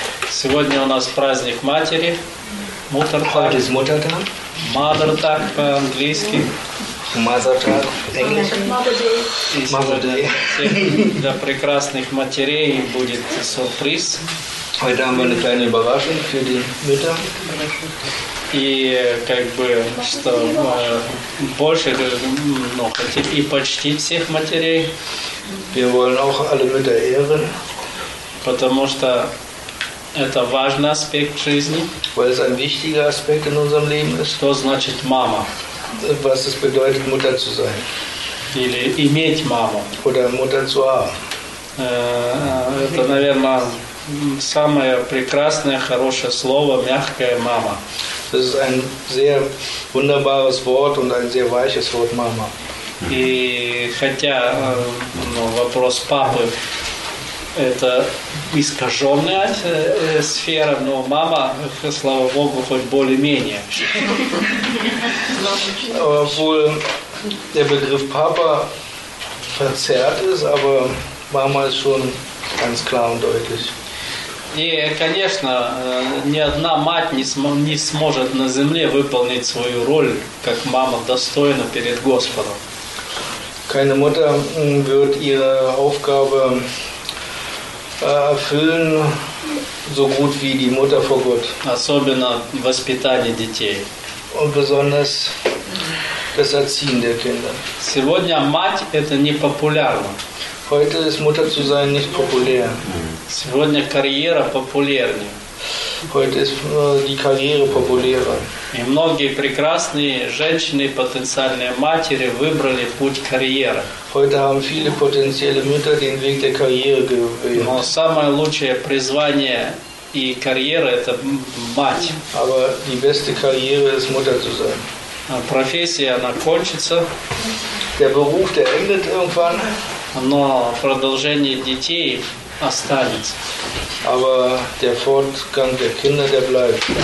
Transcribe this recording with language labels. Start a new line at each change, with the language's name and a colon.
Russian: Сегодня у нас праздник матери.
German: Muttertag. Muttertag. Muttertag
Russian: по-английски.
German: Muttertag.
English: Mother Day.
Russian: Для прекрасных матерей будет сюрприз.
German: Heute haben wir eine kleine Überraschung für die Mütter.
Russian: И как бы что больше, ну, и почтить всех матерей.
German: Wir wollen auch alle Mütter ehren.
Russian: Потому что это важный аспект жизни.
German: Weil es ein wichtiger Aspekt in unserem Leben ist.
Russian: Что значит мама?
German: Was es bedeutet, Mutter zu sein.
Russian: Или иметь маму.
German: Oder Mutter zu haben.
Russian: Это, наверное, самое прекрасное, хорошее слово, мягкое мама.
German: Das ist ein sehr wunderbares Wort und ein sehr weiches Wort, Mama.
Russian: И хотя вопрос папы это искаженная сфера, но мама, слава Богу, хоть более-менее.
German: Obwohl der Begriff Papa verzerrt ist, aber Mama ist schon ganz klar und deutlich.
Russian: И, конечно, ни одна мать не сможет на земле выполнить свою роль, как мама, достойно перед Господом.
German: Keine Mutter wird ihre Aufgabe erfüllen so gut wie die Mutter vor Gott.
Russian: Особенно воспитание детей.
German: Und besonders das Erziehen der Kinder.
Russian: Сегодня мать это не популярно.
German: Heute ist Mutter zu sein nicht populär.
Russian: Сегодня карьера популярнее.
German: Heute ist die Karriere populärer.
Russian: И многие прекрасные женщины, потенциальные матери, выбрали путь карьеры.
German: Heute haben viele potenzielle Mütter den Weg der Karriere gewählt.
Russian: Но самое лучшее призвание и карьера – это мать.
German: Aber die beste Karriere ist Mutter zu sein.
Russian: Профессия, она кончится.
German: Der Beruf, der endet irgendwann.
Russian: Но продолжение детей останется.
German: Aber der Fortgang der Kinder, der bleibt.